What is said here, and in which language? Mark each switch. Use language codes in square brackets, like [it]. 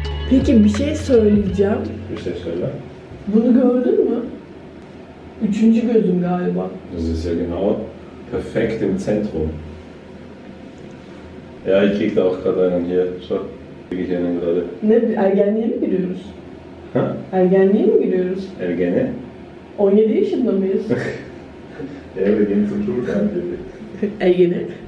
[tr] Peki bir şey söyleyeceğim. Söyle. Bunu gördün mü? Üçüncü gözüm galiba. [de] Das ist ja genau perfekt im Zentrum. Ja, ich krieg da auch gerade einen hier. Schau, krieg ich einen gerade. [tr] Ne, ergenliğe mi giriyoruz? Ha? Ergenliğe mi giriyoruz? Ergene? 17 yaşında mıyız? Ergene [de] zum Schulgang [tr] dedi. Ergene.